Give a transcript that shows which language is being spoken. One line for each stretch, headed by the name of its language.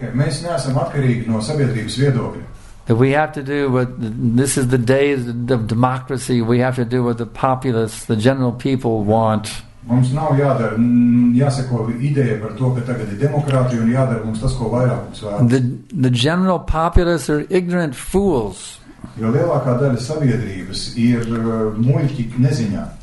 Latvian: Okay, mēs neesam atkarīgi no sabiedrības viedokļa.
English: That we have to do what this is the day of democracy. We have to do what the populace, the general people want.
Latvian: Mums nav jādara, jāseko ideja par to, ka tagad ir demokrātija un jādara mums tas, ko vairāk mums vēlas.
English: The general populace are ignorant fools.
Latvian: Jo lielākā daļa sabiedrības ir muļķi neziņā.